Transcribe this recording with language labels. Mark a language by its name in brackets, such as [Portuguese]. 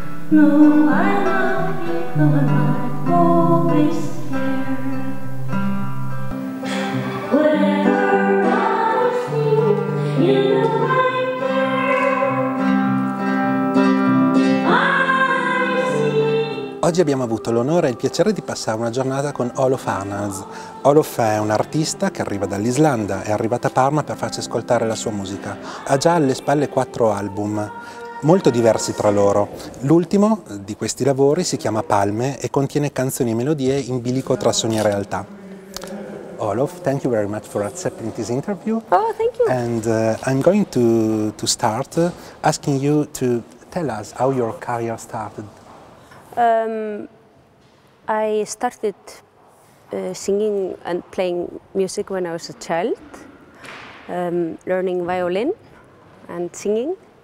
[English] No, I love you, though I might always care. Whatever I see, you know I care. I see. [Italian] Oggi abbiamo avuto l'onore e il piacere di passare una giornata con Ólöf Arnalds. Ólöf è un'artista che arriva dall'Islanda, è arrivata a Parma per farci ascoltare la sua musica. Ha già alle spalle 4 album, molto diversi tra loro. L'ultimo di questi lavori si chiama Palme e contiene canzoni e melodie in bilico tra sogni e realtà. [English] Ólöf, thank you very much for accepting this interview. Oh, thank you. And I'm going to start asking you to tell us how your career started. I started singing and playing music when I was a child, learning violin and singing.